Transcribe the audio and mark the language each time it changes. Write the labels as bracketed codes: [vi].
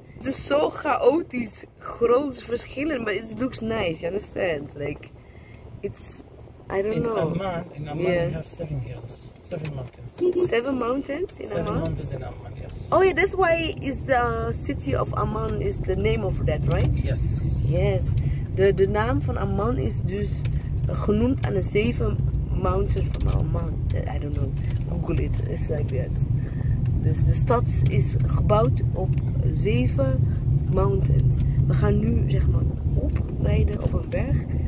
[nl] Het is zo chaotisch, groot verschillen, [en] but it looks nice. You understand? Like, it's, I don't know. In Amman, yeah. We have 7 hills. Seven mountains in Amman, yes. Oh yeah, that's why is the city of Amman is the name of that, right? Yes. [nl] The naam van Amman is dus genoemd aan de 7 mountains van Amman. [en] I don't know, Google it, it's like that. [nl] Dus de stad is gebouwd op 7 mountains. We gaan nu zeg maar oprijden op een berg.